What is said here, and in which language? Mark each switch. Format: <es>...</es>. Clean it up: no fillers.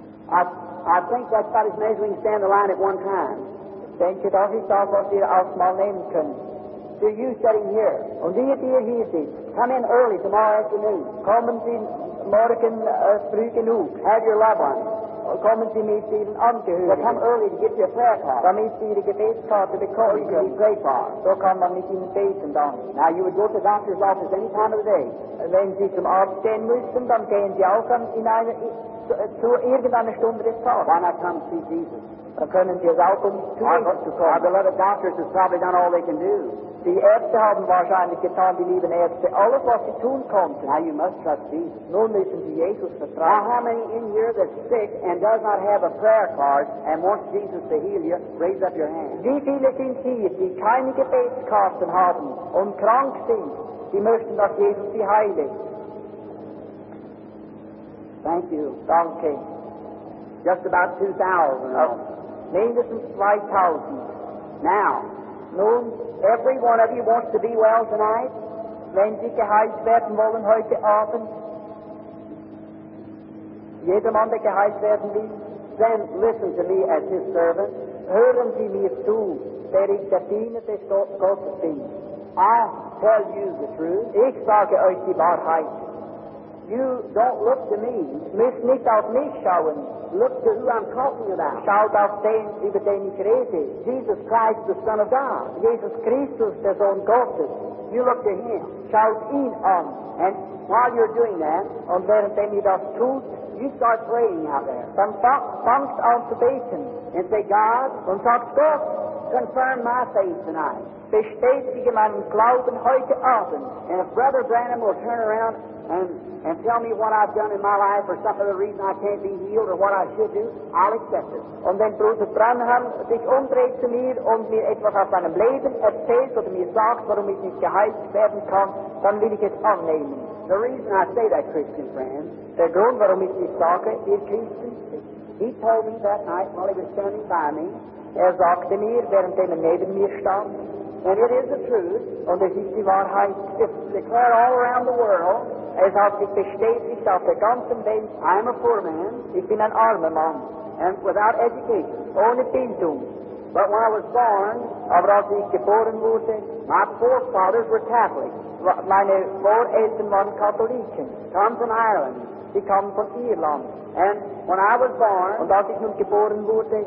<en>I think that's about as many as we can stand the line at one time.</en> <de>Denke, dass ich das, was wir ausmal nehmen können.</de> <en>To you sitting here.</en> <de>Und die, die hier sind,</de> <en>come in early tomorrow afternoon.</en> <de>Kommen Sie morgen früh genug.</de> <en>Have your loved ones.</en> <de>Kommen Sie mit Ihren Angehörigen.</de> <en>Come early to get your prayer card.</en> <de>Damit Sie Ihre Gebetskarte bekommen können. Sie</de> <en>pray for.</en> <de>So kann man mit Ihnen beten dann.</de> <en>Now you would go to the doctor's office any time of the day.</en> <de>Wenn Sie zum Arzt gehen müssen, dann gehen Sie auch in eine, zu irgendeiner Stunde des Tages.</de> <en>Why not come see Jesus?</en> <de>Dann können Sie es auch um zu Jesus kommen.</de> <en>Our beloved doctors have probably done all they can do.</en> <de>Die Ärzte haben wahrscheinlich getan, die lieben Ärzte, alles, was sie tun konnten.</de> <en>Now you must trust Jesus.</en> <de>Nun müssen Sie Jesus vertrauen.</de> <en>Now how many in here that's sick and does not have a prayer card and wants Jesus to heal you, raise up your hand.</en> <de>Wie viele sind hier, die keine Gebetskarten haben und krank sind, die möchten, dass Jesus sie heile?</de> <en>Thank you.</en> <de>Danke.</de> <en>Just about 2,000.</en> <de>Oh. Mindestens 2,000.</de> <en>Now,</en> <de>nun,</de> <en>every one of you wants to be well tonight.</en> <de>Wenn Sie geheilt werden wollen heute Abend, jeder Mann, der geheilt werden will,</de> <en>then listen to me as his servant.</en> <de>Hören Sie mir zu, der ich der Diener des Gottes bin.</de> <en>I tell you the truth.</en> <de>Ich sage euch die Wahrheit.</de> <en>You don't look to me.</en> <de>Miss nicht auf mich schauen.</de> <en>Look to who I'm talking about.</en> <de>Schaut auf den, über den ich rede.</de> <en>Jesus Christ, the Son of God.</en> <de>Jesus Christus, der Sohn Gottes.</de> <en>You look to him.</en> <de>Schaut ihn an.</de> <en>And while you're doing that,</en> <de>und währenddem ihr das tut,</de> <en>you start praying out there.</en> <de>Dann fangst an zu beten.</de> <en>And say, God,</en> <de>und sagt Gott,</de> <en>confirm my faith tonight.</en> <de>Bestätige meinen Glauben heute Abend.</de> <en>And if Brother Branham will turn around and tell me what I've done in my life or some other reason I can't be healed or what I should do, I'll accept it.</en> <de>Und wenn Bruder Branham sich umdreht zu mir und mir etwas aus seinem Leben erzählt oder mir sagt, warum ich nicht geheilt werden kann, dann will ich es annehmen.</de> <en>The reason I say that, Christian friend,</en> <de>der Grund, warum ich dies sage, ihr Christen,</de> <en>he told me that night while he was standing by me,</en> <de>er sagte mir, während er neben mir stand,</de> <en>and it is the truth,</en> <de>und es ist die Wahrheit,</de> <en>it's declared all around the world,</en> <de>es hat sich bestätigt auf der ganzen Welt,</de> <en>I'm a poor man,</en> <de>ich bin ein armer Mann,</de> <en>and without education,</en> <de>ohne Bildung.</de> <en>But when I was born,</en> <de>aber als ich geboren wurde,</de> <en>my forefathers were Catholic,</en> <de>meine Voreltern waren Katholiken,</de> <en>come from Ireland,</en> <de>sie kommen von Irland.</de> <en>And when I was born,</en> <de>und als ich nun geboren wurde,</de>